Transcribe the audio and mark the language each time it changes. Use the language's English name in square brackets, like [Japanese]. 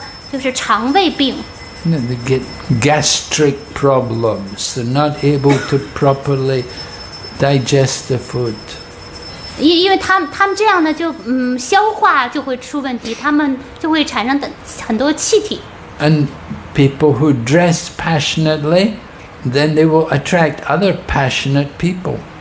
[Chinese] 同样的，如果特别喜欢吃刺激性的食物，那么一旦他们就容易得就是肠胃病。 [English] They get gastric problems. They're not able to properly digest the food. [Chinese] 因为他们这样呢，就消化就会出问题，他们就会产生很多气体。 [English] And people who dress passionately, then they will attract other passionate people.